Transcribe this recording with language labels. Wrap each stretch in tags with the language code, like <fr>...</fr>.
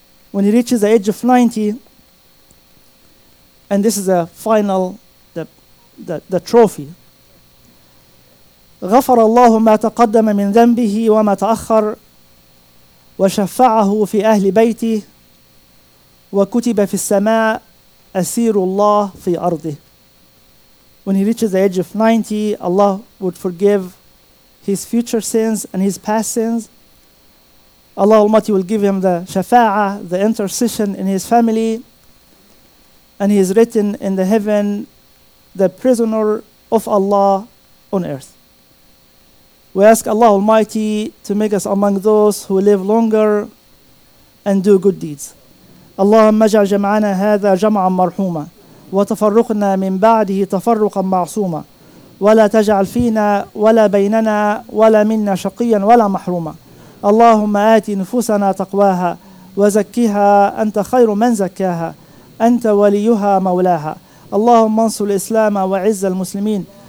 <en>When he reaches the age of 90, and this is a final, the trophy.</en> <ar>غفر الله ما تقدم من ذنبه وما تأخر وشفعه في أهل بيته وكتب في السماء أسير الله في أرضه.</ar> <en>When he reaches the age of 90, Allah would forgive his future sins and his past sins. Allah Almighty will give him the shafa'ah, the intercession in his family. And he is written in the heaven, the prisoner of Allah on earth. We ask Allah Almighty to make us among those who live longer and do good deeds.</en> <ar>Allahumma ja'al jam'ana hadha jam'an marhuma. وتفرقنا من بعده تفرقا معصوما ولا تجعل فينا ولا بيننا ولا منا شقيا ولا محروما اللهم آت نفوسنا تقواها وزكها أنت خير من زكاها أنت وليها مولاها اللهم انصر الإسلام وعز المسلمين</ar>